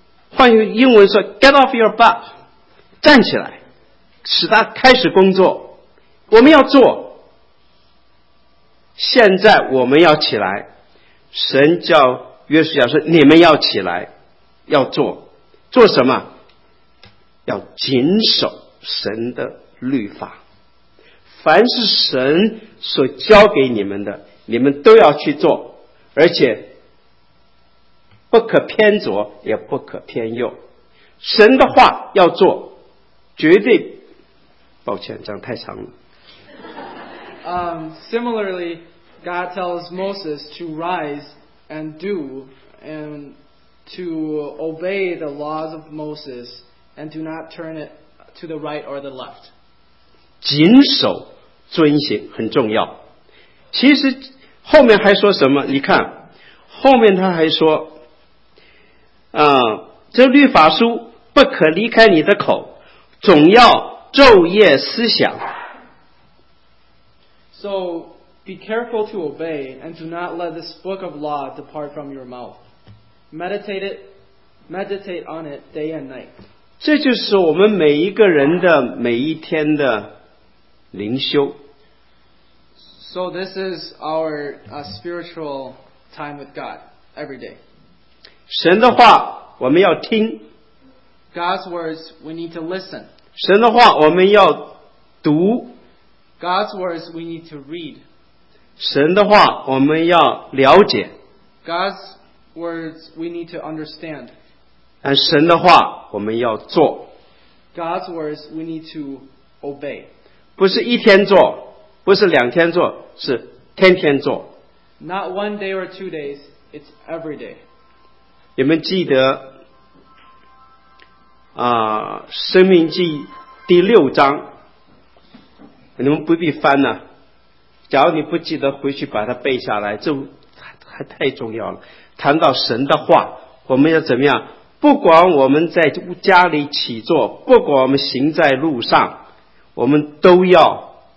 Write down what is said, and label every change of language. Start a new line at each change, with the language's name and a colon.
Chinese: 换英文说
English: get off your butt
Chinese: 站起来使他开始工作我们要做现在我们要起来神叫约书亚说你们要起来要做做什么要谨守神的律法凡是神所教给你们的你们都要去做而且不可偏左也不可偏右神的话要做绝对抱歉这样太长了、
English: Similarly God tells Moses to rise and do and to obey the laws of Moses and do not turn it to the right or the left
Chinese: 谨守遵行很重要其实后面还说什么你看后面他还说这律法书不可离开你的口总要昼夜思想
English: So be careful to obey and do not let this book of law depart from your mouth meditate on it day and night
Chinese: 这就是我们每一个人的每一天的灵修
English: So this is our spiritual time with God every day
Chinese: 神的话我们要听
English: God's words we need to listen
Chinese: 神的话我们要读
English: God's words we need to read
Chinese: 神的话我们要了解
English: God's words we need to understand
Chinese: 神的话我们要做
English: God's words we need to obey
Chinese: 不是一天做不是两天做是天天做
English: Not one day or two days it's every day
Chinese: 你们记得生命记第六章你们不必翻了假如你不记得回去把它背下来这 还太重要了谈到神的话我们要怎么样不管我们在家里起坐不管我们行在路上我们都要